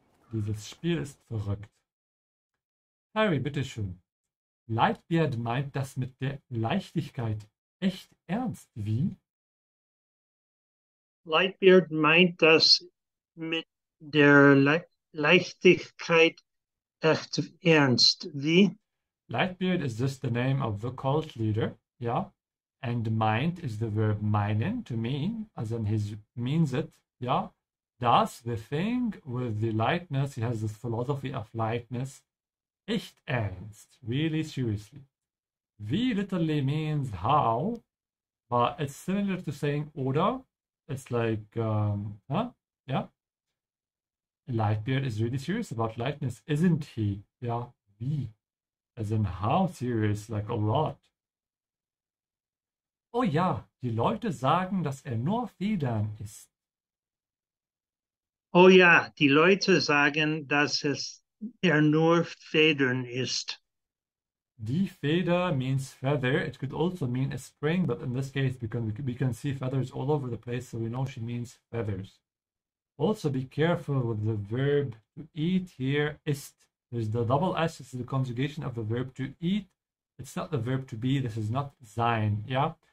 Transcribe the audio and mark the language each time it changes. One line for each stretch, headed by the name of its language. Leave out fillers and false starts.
German: Dieses Spiel ist verrückt. Harry, bitteschön. Lightbeard meint das mit der Leichtigkeit echt ernst. Wie? Lightbeard meint das mit der Leichtigkeit echt ernst. Wie?
English: Lightbeard is just the name of the cult leader, ja? And meint is the verb meinen, to mean, as in he means it, yeah? Does the thing with the lightness, he has this philosophy of lightness,
German: echt ernst,
English: really seriously. Wie literally means how, but it's similar to saying oder, it's like, yeah? Lightbeard is really serious about lightness, isn't he? Yeah, wie, as in how serious, like a lot.
German: Oh ja, die Leute sagen, dass er nur Federn ist. Oh ja, die Leute sagen, dass er nur Federn ist. Die Feder
English: means feather. It could also mean a spring, but in this case, because we can see feathers all over the place, so we know she means feathers. Also, be careful with the verb to eat here, ist. There's the double S, it's the conjugation of the verb to eat. It's not the verb to be, this is not sein, yeah?